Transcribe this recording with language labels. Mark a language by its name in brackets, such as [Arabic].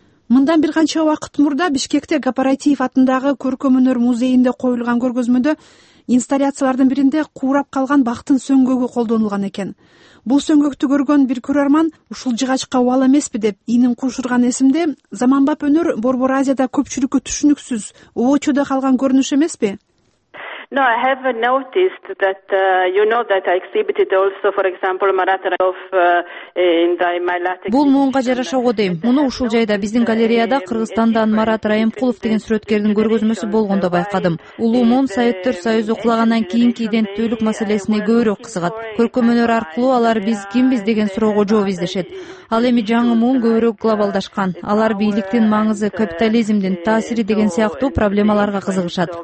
[Kyrgyz] Мындан бир канча убакыт мурда Бишкекте Гапарайтиев атындагы көркөм өнөр музейинде коюлган көргөзмөдө инсталляциялардын биринде куурап калган бактын сөңгөгү колдонулган экен. Бул сөңгөктү көргөн бир көрөрман ушул жыгачка убал эмеспи деп ийнин куушурган эсимде, заманбап өнөр борбор Азияда көпчүлүккө түшүнүксүз оочодо калган көрүнүш эмеспи? [English] No, I have noticed that you know that I exhibited also, for example, Marat Raouf in my last. [Kyrgyz] Бул муунга жарашого дейм. Муну ушул жайда биздин галереяда Кыргызстандан Марат Раимкулов деген сүрөткердин көргөзмөсү болгондо байкадым. Улуу муун Советтер Союзу кулагандан кийинки идентитеттүүлүк маселесине көбүрөөк кызыгат. Көркөм өнөр аркылуу алар биз кимбиз деген суроого жооп издешет. Ал эми жаңы муун көбүрөөк глобалдашкан. Алар бийликтин маңызы, капитализмдин таасири деген сыяктуу проблемаларга кызыгышат.